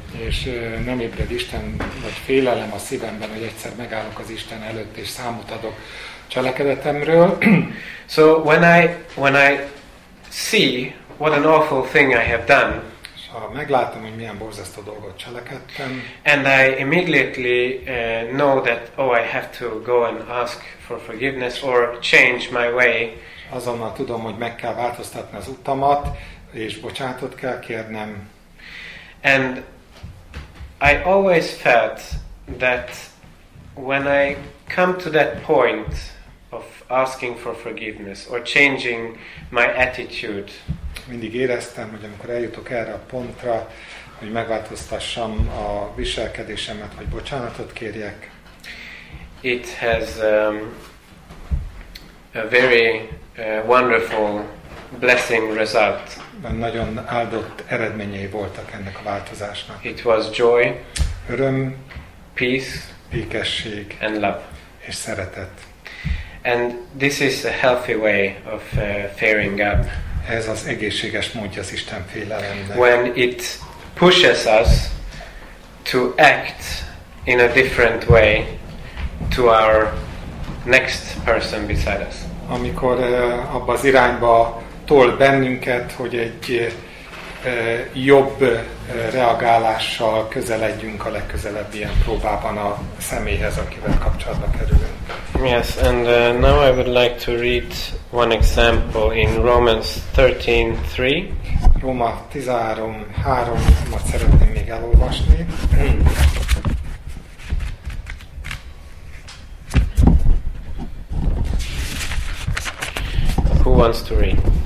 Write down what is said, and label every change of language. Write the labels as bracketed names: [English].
[Hungarian] És nem ébred Isten vagy félelem a szívemben, hogy egyszer megállok az Isten előtt és számot adok cselekedetemről. [English] So when I see what an awful thing I have done. [Hungarian] Ha meglátom, hogy milyen borzasztó dolgot cselekedtem. [English] And I immediately know that I have to go and ask for forgiveness or change my way. [Hungarian] Azonnal tudom, hogy meg kell változtatni az utamat, és bocsánatot kell kérnem. [English] And I always felt that when I come to that point of asking for forgiveness or changing my attitude. [Hungarian] Mindig éreztem, hogy amikor eljutok erre a pontra, hogy megváltoztassam a viselkedésemet, hogy bocsánatot kérjek. [English] It has a very wonderful blessing result. [Hungarian] Nagyon áldott eredményei voltak ennek a változásnak. [English] It was joy, [Hungarian] öröm, [English] peace, [Hungarian] békesség, [English] and love, [Hungarian] és szeretet. [English] And this is a healthy way of fearing God. [Hungarian] Ez az egészséges módja az Isten félelemnek. [English] When it pushes us to act in a different way to our next person beside us. [Hungarian] Amikor abba az irányba tol bennünket, hogy egy jobb reagálással közeledjünk a legközelebb ilyen próbában a személyhez, akivel kapcsolatba kerülünk. [English] Yes, and now I would like to read one example in Romans 13:3. [Hungarian] Róma 13:3-at szeretném még elolvasni. [English] Who wants to read?